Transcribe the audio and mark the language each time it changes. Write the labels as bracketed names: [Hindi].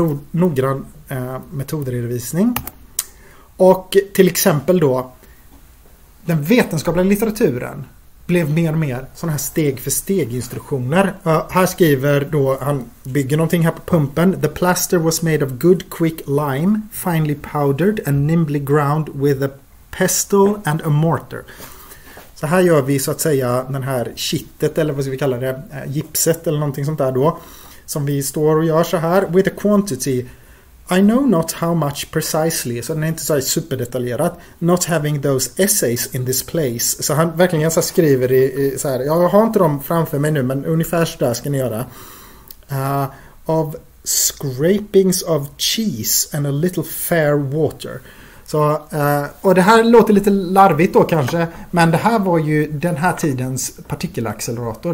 [Swedish] Noggrann metodredovisning. Och till exempel då, den vetenskapliga litteraturen blev mer och mer sådana här steg för steg instruktioner. Här skriver då, han bygger någonting här på pumpen. [English] The plaster was made of good quick lime, finely powdered and nimbly ground with a pestle and a mortar. [Swedish] Så här gör vi så att säga den här kittet, eller vad ska vi kalla det, gipset eller någonting sånt där då. Som vi står och gör så här. [English] With a quantity, I know not how much precisely. [Swedish] Så den är inte så här superdetaljerat. [English] Not having those essays in this place. [Swedish] Så han verkligen så skriver i så här. Jag har inte dem framför mig nu, men ungefär så där ska ni göra. [English] Of scrapings of cheese and a little fair water. [Swedish] Så, och det här låter lite larvigt då kanske. Men det här var ju den här tidens partikelaccelerator.